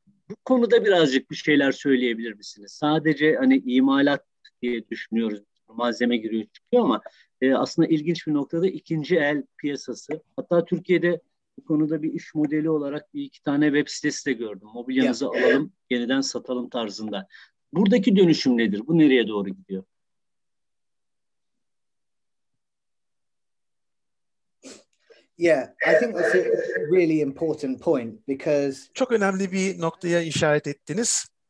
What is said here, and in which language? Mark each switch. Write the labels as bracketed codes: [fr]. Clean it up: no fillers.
[tr] Bu konuda birazcık bir şeyler söyleyebilir misiniz? Sadece hani imalat diye düşünüyoruz, malzeme giriyor çıkıyor ama aslında ilginç bir noktada ikinci el piyasası. Hatta Türkiye'de bu konuda bir iş modeli olarak bir iki tane web sitesi de gördüm. Mobilyanızı alalım, yeniden satalım tarzında. Buradaki dönüşüm nedir? Bu nereye doğru gidiyor? [en] Yeah, I think that's a really important point because [tr] çok önemli bir noktaya işaret ettiniz.